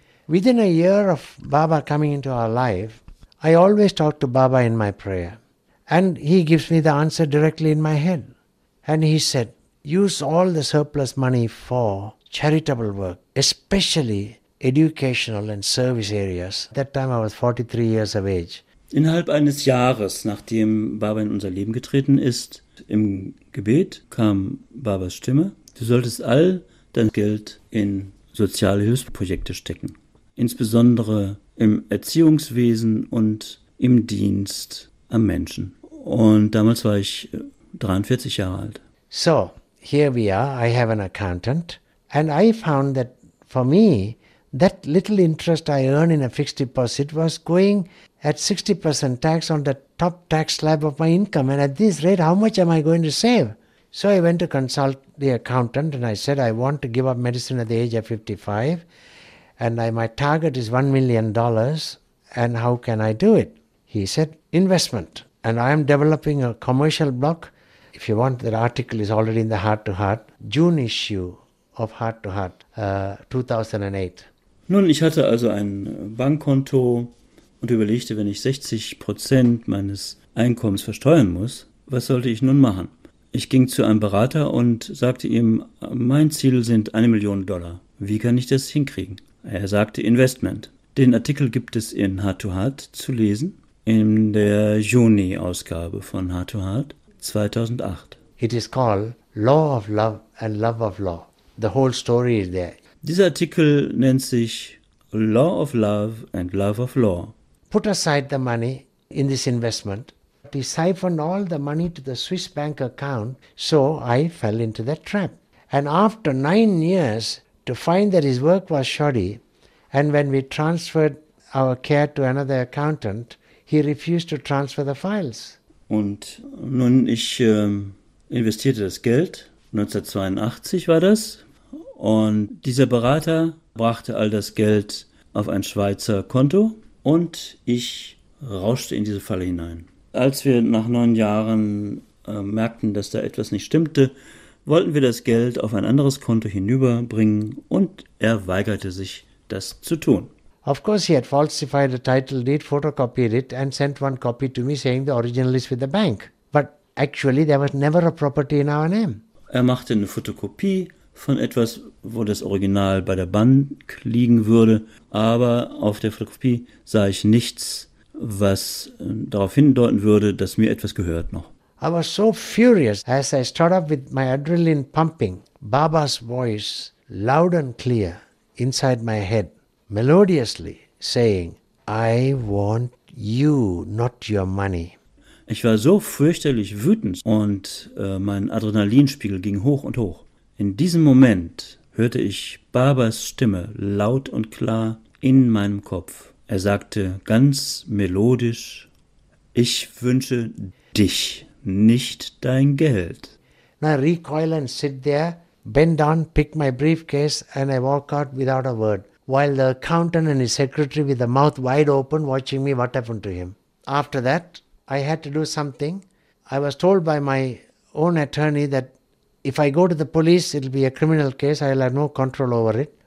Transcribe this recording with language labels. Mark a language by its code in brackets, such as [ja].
[en] Within a year of Baba coming into our life, I always talk to Baba in my prayer. And he gives me the answer directly in my head. And he said, use all the surplus money for charitable work, especially educational and service areas. At that time I was 43 years of age. [de] Innerhalb eines Jahres, nachdem Baba in unser Leben getreten ist, im Gebet kam Babas Stimme, du solltest all dein Geld in soziale Hilfsprojekte stecken, insbesondere im Erziehungswesen und im Dienst am Menschen. Und damals war ich 43 Jahre alt. [en] So, here we are, I have an accountant, and I found that for me, that little interest I earn in a fixed deposit was going at 60% tax on the top tax slab of my income. And at this rate, how much am I going to save? So I went to consult the accountant and I said, I want to give up medicine at the age of 55. And my target is $1 million. And how can I do it? He said, investment. And I am developing a commercial block. If you want, that article is already in the Heart to Heart, June issue of Heart to Heart, 2008. [de] Nun, ich hatte also ein Bankkonto und überlegte, wenn ich 60% meines Einkommens versteuern muss, was sollte ich nun machen? Ich ging zu einem Berater und sagte ihm, mein Ziel sind $1 Million. Wie kann ich das hinkriegen? Er sagte, Investment. Den Artikel gibt es in Heart to Heart zu lesen, in der Juni-Ausgabe von Heart to Heart 2008. [en] It is called Law of Love and Love of Law. The whole story is there. [de] Dieser Artikel nennt sich Law of Love and Love of Law. [en] Put aside the money in this investment. He siphoned all the money to the Swiss bank account, so I fell into that trap. And after 9 years, to find that his work was shoddy, and when we transferred our care to another accountant, he refused to transfer the files. [de] Und nun, ich investierte das Geld, 1982 war das, und dieser Berater brachte all das Geld auf ein Schweizer Konto und ich rauschte in diese Falle hinein. Als wir nach 9 Jahren merkten, dass da etwas nicht stimmte, wollten wir das Geld auf ein anderes Konto hinüberbringen und er weigerte sich, das zu tun. [en] Of course he had falsified the title deed, photocopied it and sent one copy to me saying the original is with the bank. But actually there was never a property in our name. [de] Er machte eine Fotokopie von etwas, wo das Original bei der Bank liegen würde, aber auf der Fotokopie sah ich nichts, was darauf hindeuten würde, dass mir etwas gehört noch. [en] I was so furious as I stood up with my adrenaline pumping, Baba's voice loud and clear inside my head, melodiously saying, I want you, not your money. [de] Ich war so fürchterlich wütend und mein Adrenalinspiegel ging hoch und hoch. In diesem Moment hörte ich Babas Stimme laut und klar in meinem Kopf. Er sagte ganz melodisch, ich wünsche dich, nicht dein Geld. [en] Now I recoil and sit there, bend down, pick my briefcase and I walk out without a word, while the accountant and his secretary with the mouth wide open watching me what happened to him. After that, I had to do something. I was told by my own attorney that if I go to the police, it'll be a criminal case, I'll have no control over it.